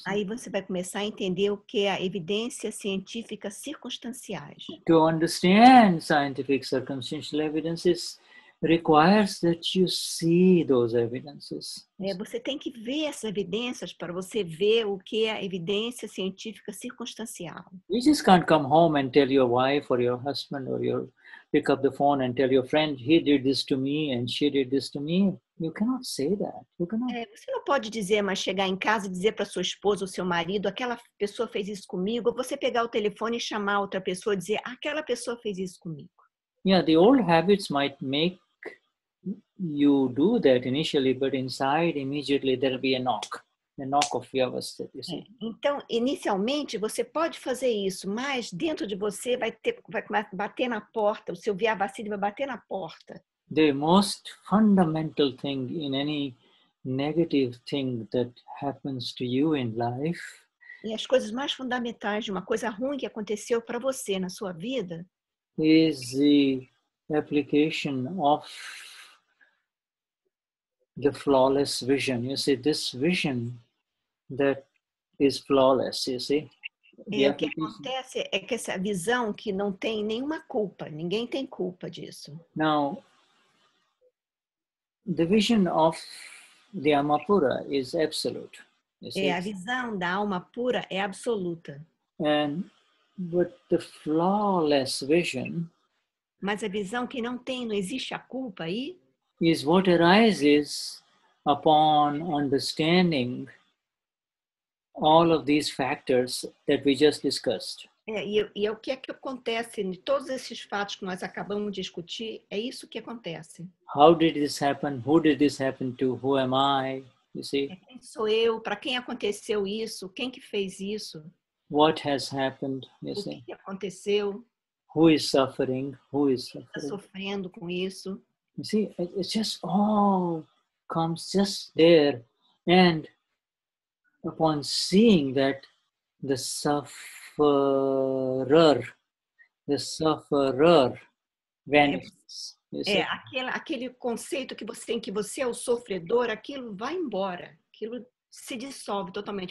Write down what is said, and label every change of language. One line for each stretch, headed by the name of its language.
Portuguese: Aí você vai começar a entender o que é a evidência científica circunstanciais.
English: To understand scientific circumstantial evidences requires that you see those evidences.
Portuguese: É, você tem que ver essas evidências para você ver o que é a evidência científica circunstancial.
English: You just can't come home and tell your wife or your husband or your pick up the phone and tell your friend he did this to me and she did this to me. You cannot say that. You cannot.
Portuguese: É, você não pode dizer, mas chegar em casa e dizer para sua esposa ou seu marido, aquela pessoa fez isso comigo, ou você pegar o telefone e chamar outra pessoa e dizer, aquela pessoa fez isso comigo.
English: Yeah, the old habits might make you do that initially, but inside, immediately, there'll be a knock. The knock of Vyavasthit, you see.
Portuguese: Então, inicialmente, você pode fazer isso, mas dentro de você vai bater na porta, o seu Vyavasthit vai bater na porta.
English: The most fundamental thing in any negative thing that happens to you in life.
Portuguese: E as coisas mais fundamentais de uma coisa ruim que aconteceu para você na sua vida.
English: Is the application of the flawless vision. You see, this vision that is flawless, you see?
Portuguese: É, o que acontece é que essa visão que não tem nenhuma culpa, ninguém tem culpa disso.
English: Now, the vision of the
Portuguese: alma pura
English: is absolute.
Portuguese: É, a visão da alma pura é absoluta.
English: But the flawless vision,
Portuguese: Mas a visão que não tem, não existe a culpa aí?
English: Is what arises upon understanding all of these factors that we just discussed.
Portuguese: E o que é que acontece em todos esses fatos que nós acabamos de discutir? É isso que acontece.
English: How did this happen? Who did this happen to? Who am I? You see?
Portuguese: Quem sou eu? Para quem aconteceu isso? Quem que fez isso?
English: What has happened? You
Portuguese: o que, que aconteceu?
English: Who is suffering? Who is suffering?
Portuguese: Está sofrendo com isso?
English: You see, it just all comes just there, and upon seeing that the sufferer, vanishes.
Portuguese: É aquele conceito que você tem que você é o sofredor, aquilo vai embora, aquilo se dissolve totalmente.